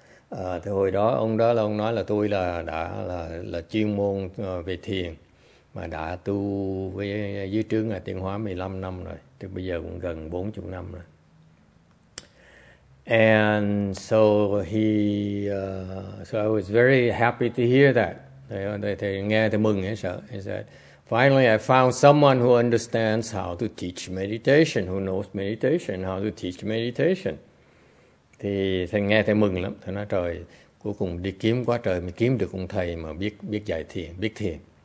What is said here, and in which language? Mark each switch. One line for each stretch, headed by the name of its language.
Vietnamese: Thì hồi đó ông đó là ông nói là tôi là đã là chuyên môn về thiền mà đã tu với dưới trướng Ngài Tịnh Hóa 15 năm rồi, thì bây giờ cũng gần 40 năm rồi.
English: And so I was very happy to hear that.
Vietnamese: Thầy nghe thầy mừng ấy sợ.
English: He said, finally I found someone who understands how to teach meditation, who knows meditation, how to teach meditation.
Vietnamese: Thì thầy nghe thầy mừng lắm. Thầy nói trời, cuối cùng đi kiếm quá trời mới kiếm được ông thầy mà biết biết dạy thiền, biết thiền.